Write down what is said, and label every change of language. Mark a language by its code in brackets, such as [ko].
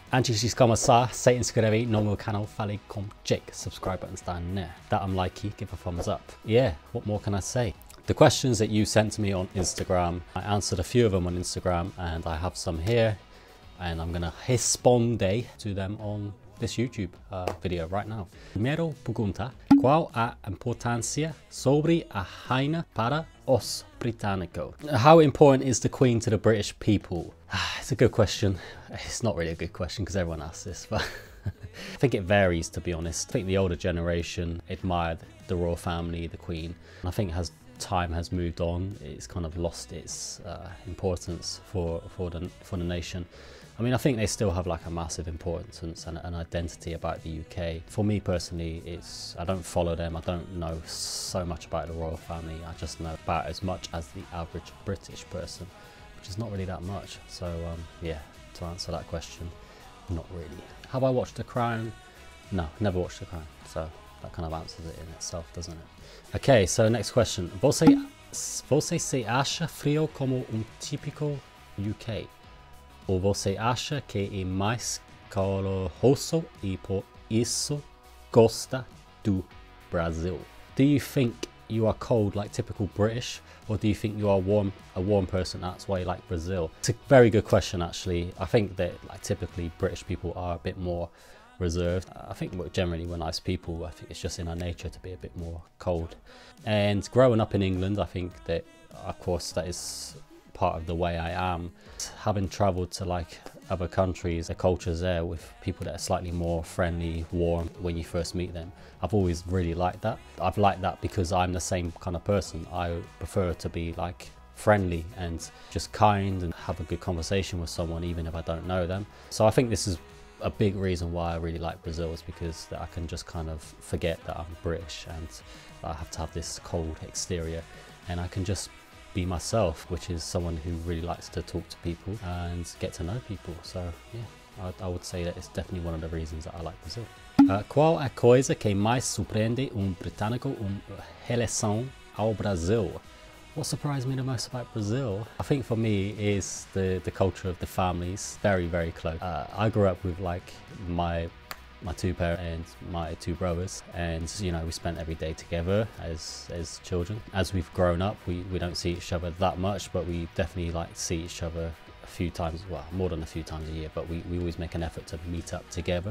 [pt] Antes de começar, se inscreve no meu canal, fale com Jake. [en] Subscribe button [pt] está né? Dá like, [en] give a thumbs up. Yeah, what more can I say? The questions that you sent to me on Instagram, I answered a few of them on Instagram, and I have some here, and I'm gonna responder to them on this YouTube video right now. [pt] Primeiro pergunta, qual a importância sobre a rainha para os britânicos? [en] How important is the Queen to the British people? It's a good question. It's not really a good question because everyone asks this, but I think it varies, to be honest. I think the older generation admired the royal family, the Queen. And I think as time has moved on, it's kind of lost its importance for the nation. I mean, I think they still have like a massive importance and an identity about the UK. For me personally, I don't follow them. I don't know so much about the royal family. I just know about as much as the average British person, which is not really that much. So yeah, to answer that question, not really. Have I watched The Crown? No, never watched The Crown. So that kind of answers it in itself, doesn't it? Okay, so next question. [pt] Você se acha frio como típico UK? Ou você acha que é mais caloroso e por isso gosta do Brasil? [en] Do you think you are cold like typical British, or do you think you are warm, a warm person, that's why you like Brazil? It's a very good question, actually. I think that like typically British people are a bit more reserved. I think generally we're nice people. I think it's just in our nature to be a bit more cold. And growing up in England, I think that, of course, that is part of the way I am. Having traveled to like other countries, the cultures there with people that are slightly more friendly, warm when you first meet them, I've always really liked that. I've liked that because I'm the same kind of person. I prefer to be like friendly and just kind and have a good conversation with someone even if I don't know them. So I think this is a big reason why I really like Brazil, is because that I can just kind of forget that I'm British and I have to have this cold exterior, and I can just be myself, which is someone who really likes to talk to people and get to know people. So yeah, I would say that it's definitely one of the reasons that I like Brazil. [pt] Qual a coisa que mais surpreende britânico relação ao Brasil? [en] What surprised me the most about Brazil, I think for me, is the culture of the families. Very, very close. I grew up with like my two parents and my two brothers, and you know, we spent every day together as children. As we've grown up, we don't see each other that much, but we definitely like see each other a few times, well, more than a few times a year, but we always make an effort to meet up together.